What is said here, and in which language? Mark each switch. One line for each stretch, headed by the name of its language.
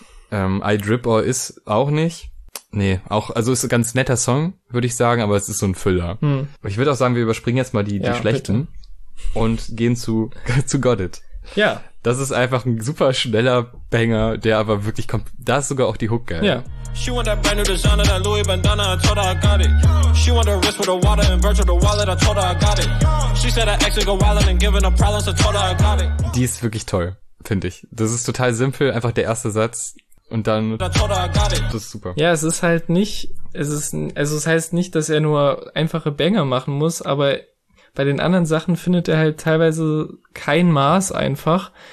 German: I Drip Or Is auch nicht. Nee, auch, also ist ein ganz netter Song, würde ich sagen, aber es ist so ein Füller. Hm. Ich würde auch sagen, wir überspringen jetzt mal die schlechten, bitte. Und gehen zu Got It. Ja. Das ist einfach ein super schneller Banger, der aber wirklich kommt. Da ist sogar auch die Hook geil. Ja.
English: She want that brand new designer, that Louis Bandana, I told her I got it. She want her wrist with the water and virtual the wallet, I told her I got it. She said her ex would go wild and give her problems, I told her I got it.
German: Die ist wirklich toll, finde ich. Das ist total simpel, einfach der erste Satz. Und dann, das ist super. Ja, es ist halt nicht, es heißt nicht, dass er nur einfache Banger machen muss, aber bei den anderen Sachen findet er halt teilweise kein Maß einfach.